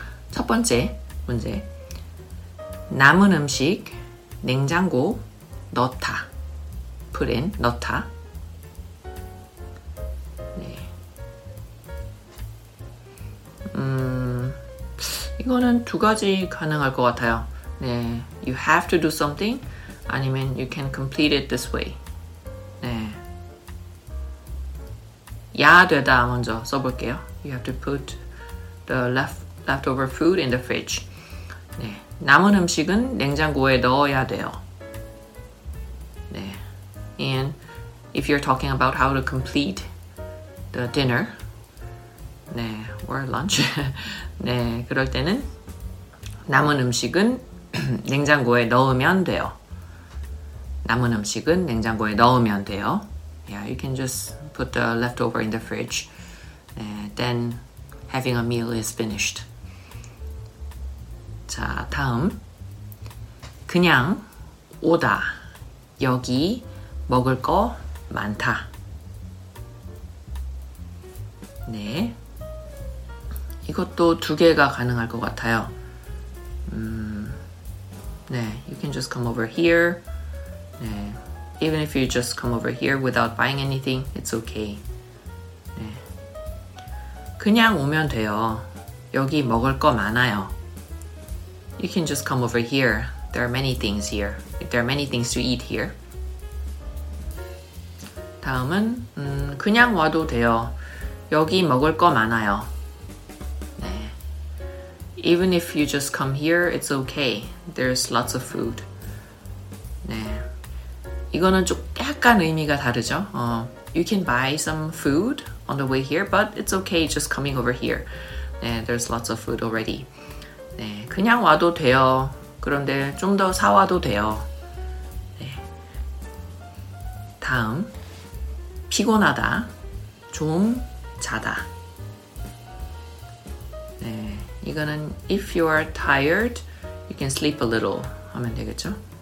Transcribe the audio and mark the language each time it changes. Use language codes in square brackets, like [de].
[ko] 첫 번째 문제 남은 음식 냉장고 넣다 put in, 넣다 네. 이거는 두 가지 가능할 것 같아요. [en] 네, you have to do something 아니면 you can complete it this way. [ko] 네. 야 되다 먼저 써볼게요. [en] You have to put the leftover food in the fridge. [ko] 네. 남은 음식은 냉장고에 넣어야 돼요. [en] 네. And if you're talking about how to complete the dinner, 네, or lunch, 네, [ko] 그럴 때는 남은 음식은 냉장고에 넣으면 돼요. 남은 음식은 냉장고에 넣으면 돼요. [en] Yeah, you can just put the leftover in the fridge. Then having a meal is finished. [ko] 자, 다음. 그냥 오다. 여기 먹을 거 많다. 네. 이것도 두 개가 가능할 것 같아요. [en] 네, you can just come over here. 네. Even if you just come over here without buying anything, it's okay. [ko] 네. 그냥 오면 돼요. 여기 먹을 거 많아요. [en] You can just come over here. There are many things here. There are many things to eat here. [ko] 다음은 그냥 와도 돼요. 여기 먹을 거 많아요. 네. [en] Even if you just come here, it's okay. There's lots of food. 네. [ko] 이거는 좀 약간 의미가 다르죠. [en] You can buy some food on the way here, but it's okay just coming over here. 네, there's lots of food already. 네, [ko] 그냥 와도 돼요. 그런데 좀 더 사와도 돼요. 네. 다음, 피곤하다. 좀 자다. [en] 네, 이거는 if you are tired, you can sleep a little [ko] 하면 되겠죠.